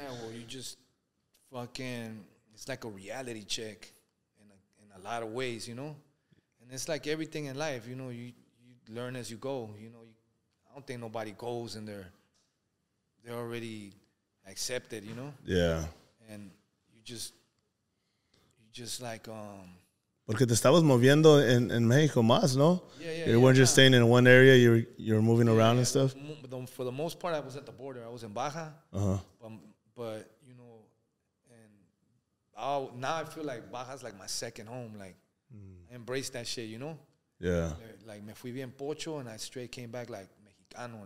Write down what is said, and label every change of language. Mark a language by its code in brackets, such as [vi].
[en] Yeah, well, you just fucking, it's like a reality check in a lot of ways, you know? And it's like everything in life, you know, you learn as you go, you know? I don't think nobody goes and they're already accepted, you know? Yeah. And you just like... [es] Porque te estabas moviendo en Mexico más, no? [en] Yeah, you weren't just staying in one area. You're moving around and stuff? For the most part, I was at the border. I was in Baja. Uh-huh. But you know, and now I feel like Baja's like my second home. Like, I embrace that shit, you know? Yeah. Like, [es] me fui bien pocho, [en] and I straight came back like Mexicano.